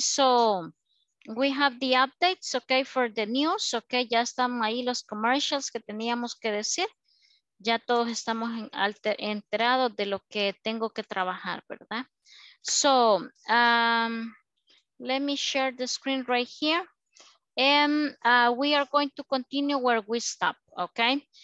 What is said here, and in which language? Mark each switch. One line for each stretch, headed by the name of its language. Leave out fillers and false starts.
English: So, we have the updates, okay, for the news, okay?
Spanish: Ya están ahí los commercials que teníamos que decir. Ya todos estamos enterados de lo que tengo que trabajar, ¿verdad?
English: So, let me share the screen right here. And we are going to continue where we stop, okay?